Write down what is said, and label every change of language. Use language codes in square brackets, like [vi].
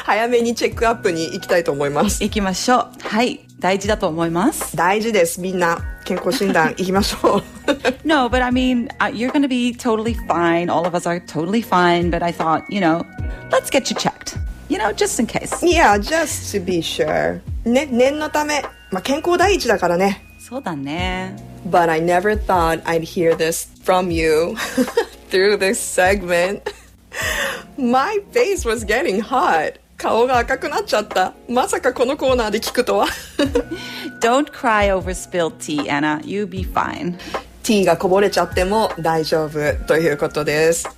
[ja] 早めにチェックアップに行きたいと思います。行きましょう。はい、大事だと思います。大事です。みんな健康診断行きましょう。 [en] No, but I mean, you're going to be totally fine. All of us are totally fine. But I thought, you know, let's get you checked. You know, just in case. Yeah, just to be sure. [ja] ね、念のため、まあ、健康第一だからね。そうだね。 [en] But I never thought I'd hear this from you. Through this segment, my face was getting hot. [ja] 顔が赤くなっちゃった。まさかこのコーナーで聞くとは。 [en] Don't cry over spilled tea, Anna. You be fine. [ja] ティーがこぼれちゃっても大丈夫ということです。